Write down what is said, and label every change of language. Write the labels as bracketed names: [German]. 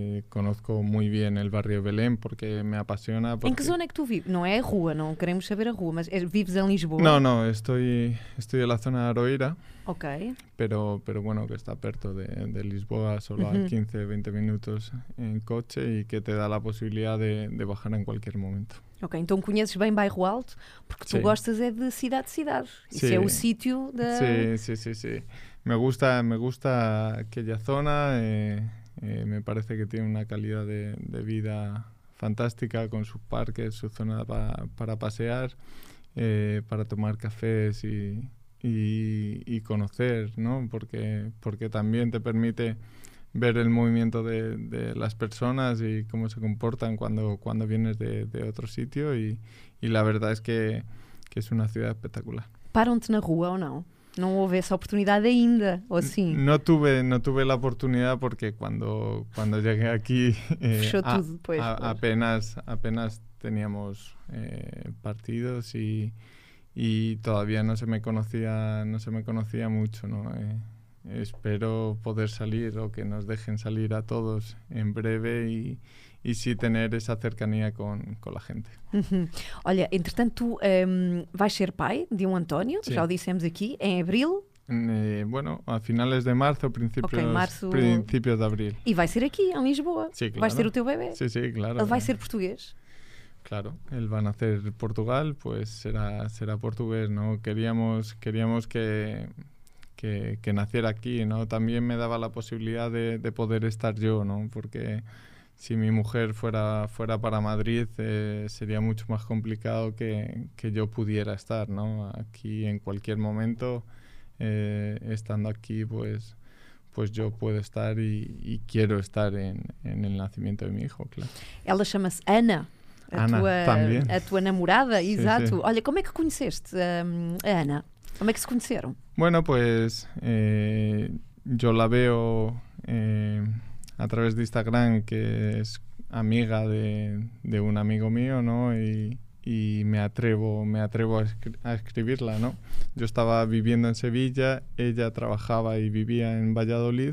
[Spanish] Conozco muy bien el barrio Belén porque me apasiona, [Portuguese] Em que [Spanish] porque... [Portuguese] zona é que tu vives? Não é a rua, não queremos saber a rua, mas vives em [Spanish] No, [Portuguese] Lisboa? [Spanish] no, estoy en la zona de Aroeira, [Portuguese] Ok. [Spanish] pero bueno, que está [Portuguese] perto de Lisboa, [Spanish] solo a 15-20 minutos en coche y que te da la posibilidad de bajar en cualquier momento. [Portuguese] Ok, então conheces bem Bairro Alto, porque tu [Spanish] Sí. [Portuguese] gostas é de cidade. Isso é o [Spanish] Sí. [Portuguese] sítio da. [Spanish] Sí. Me gusta aquella zona. Me parece que tiene una calidad de vida fantástica con sus parques, su zona para pasear, para tomar cafés y conocer, ¿no? Porque también te permite ver el movimiento de las personas y cómo se comportan cuando vienes de otro sitio y la verdad es que es una ciudad espectacular. [Portuguese] Param-te na rua ou não? Não houve essa oportunidade ainda, ou sim? [Spanish] No tuve la oportunidad porque cuando llegué aquí [Portuguese] Fechou tudo depois, pois. [Spanish] apenas teníamos partidos y todavía no se me conocía mucho, ¿no? espero poder salir o que nos dejen salir a todos en breve y sí tener esa cercanía con la gente. [Portuguese] Olha, entretanto, tu vais ser pai de um António, sí. Já o dissemos aqui, em abril. [Spanish] Bueno, a finales de marzo, principios de abril. [Portuguese] E vai ser aqui, em Lisboa. [Spanish] Sí, claro. [Portuguese] Vai ser o teu bebê. [Spanish] Sí, sí, claro. [Portuguese] Ele vai ser português. Claro, ele vai nascer em Portugal, [Spanish] pues será [Portuguese] português, ¿no? [Spanish] Queríamos que naciera aqui, ¿no? También me daba la posibilidad de poder estar yo, ¿no? Porque si mi mujer fuera para Madrid, sería mucho más complicado que yo pudiera estar, ¿no? Aquí en cualquier momento. Estando aquí, pues yo puedo estar y quiero estar en el nacimiento de mi hijo, claro. [Portuguese] Ela chama-se Ana, a tua namorada, [Spanish] sí, [Portuguese] exato. [Spanish] Sí. [Portuguese] Olha, como é que conheceste a Ana? Como é que se conheceram? [Spanish] Bueno, pues yo la veo a través de Instagram, que es amiga de un amigo mío, ¿no? Y me atrevo a escribirla, ¿no? Yo estaba viviendo en Sevilla, ella trabajaba y vivía en Valladolid.